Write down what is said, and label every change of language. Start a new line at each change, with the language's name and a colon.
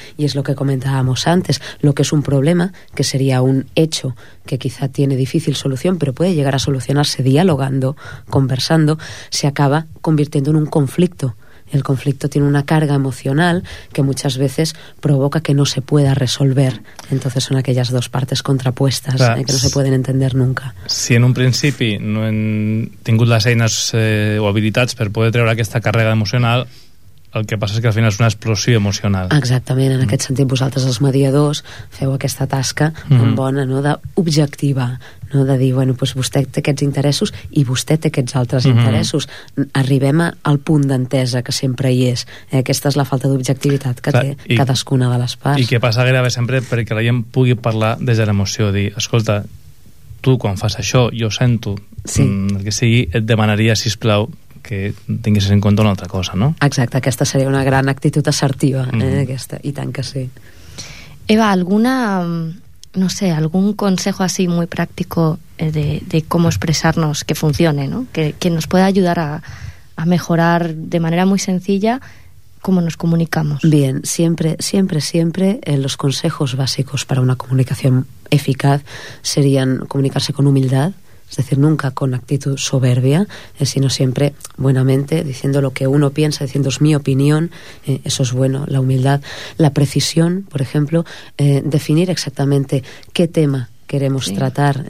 Spanish: Y es lo que comentábamos antes. Lo que es un problema, que sería un hecho que quizá tiene difícil solución, pero puede llegar a solucionarse dialogando, conversando, se acaba convirtiendo en un conflicto. El conflicto tiene una carga emocional que muchas veces provoca que no se pueda resolver. Entonces son aquellas dos partes contrapuestas, claro, que no se pueden entender nunca.
Catalan: Si en un principi no hem tingut les eines o habilitats per poder treure aquesta càrrega emocional, el que passa és que al final és una explosió emocional. Exactament, en aquest sentit vosaltres els mediadors feu aquesta tasca tan bona, no?, d'objectiva, no?, de dir, bueno, doncs vostè té aquests interessos i vostè té aquests altres interessos. Arribem al punt d'entesa que sempre hi és. Aquesta és la falta d'objectivitat que té cadascuna de les parts. I què passa gairebé sempre perquè la gent pugui parlar des de l'emoció, dir, escolta, tu quan fas això, jo sento, el que sigui, et demanaria, sisplau, que tinguessis en compte una altra cosa, no? Exacte, aquesta seria una gran actitud assertiva, aquesta, i tant que sí.
Spanish: Eva, alguna, no sé, algun consejo así muy práctico de cómo expresarnos que funcione, ¿no? Que nos pueda ayudar a mejorar de manera muy sencilla cómo nos comunicamos. Bien, siempre, los consejos básicos para una comunicación eficaz serían comunicarse con humildad, es decir, nunca con actitud soberbia, sino siempre buenamente, diciendo lo que uno piensa, diciendo es mi opinión, eso es bueno, la humildad, la precisión, por ejemplo, definir exactamente qué tema queremos tratar.